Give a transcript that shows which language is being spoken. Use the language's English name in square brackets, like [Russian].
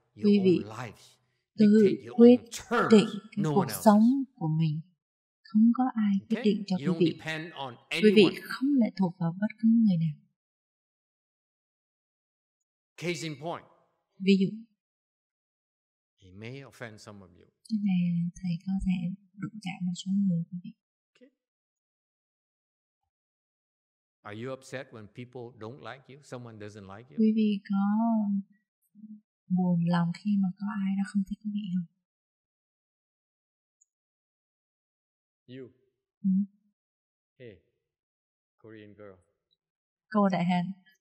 [Vietnamese] quý vị tự quyết định cuộc sống của mình, không có ai quyết định cho quý vị. Quý vị không lệ thuộc vào bất cứ người nào. [English] Case in point. [Vietnamese] Ví dụ [English] It may offend some of you. [Vietnamese] Chứ này thầy có thể đụng chạm một số người quý vị. [English] Okay. Are you upset when people don't like you? Someone doesn't like you? [Vietnamese] Quý vị có buồn lòng khi mà có ai đó không thích quý vị không? [English] You. Mm. Hey, Korean girl. [Vietnamese] Cô đại hàn.